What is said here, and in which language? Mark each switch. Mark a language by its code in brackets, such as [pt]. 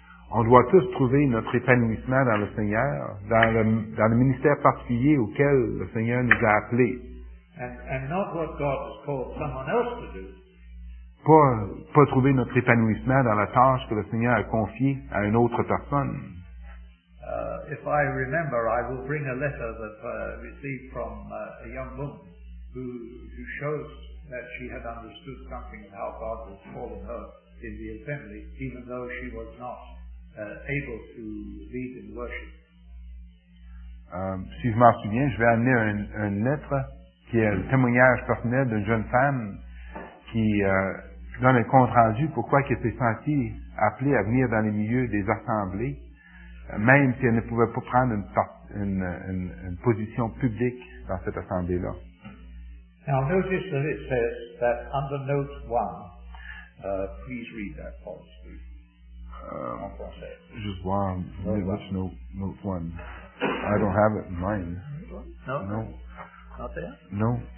[fr] On doit tous trouver notre épanouissement dans le Seigneur, dans le ministère particulier auquel le Seigneur nous a appelés. [en] And not what God has called someone else to do. [fr] Pas trouver notre épanouissement dans la tâche que le Seigneur a confiée à une autre personne. [en] If I remember, I will bring a letter that I received from a young woman who shows that she had understood something of how God had fallen her in the assembly, even though she was not able to lead in worship. [fr] Si je m'en souviens, je vais amener une lettre qui est le témoignage personnel d'une jeune femme qui donne un compte rendu pourquoi elle s'est sentie appelée à venir dans les milieux des assemblées. Même si elle ne pouvait pas prendre une position publique dans cette assemblée-là. [en] Now notice that it says that under note 1, please read that for us, please. Just one. Which note 1? I don't have it in mind. No? No. Not there? No.